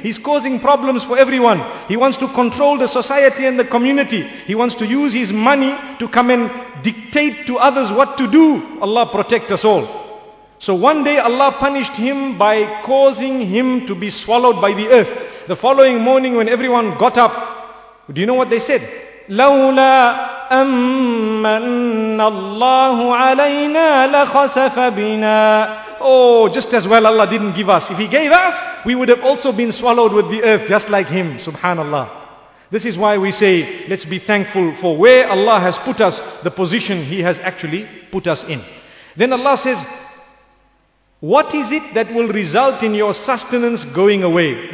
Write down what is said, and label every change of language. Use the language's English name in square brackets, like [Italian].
[English] He's causing problems for everyone. He wants to control the society and the community. He wants to use his money to come and dictate to others what to do. Allah protect us all. So one day Allah punished him by causing him to be swallowed by the earth. The following morning when everyone got up, do you know what they said? [Arabic] لولا أمن الله علينا لخسف بنا. [English] Oh, just as well Allah didn't give us. If He gave us, we would have also been swallowed with the earth just like Him. Subhanallah. This is why we say, let's be thankful for where Allah has put us, the position He has actually put us in. Then Allah says, what is it that will result in your sustenance going away?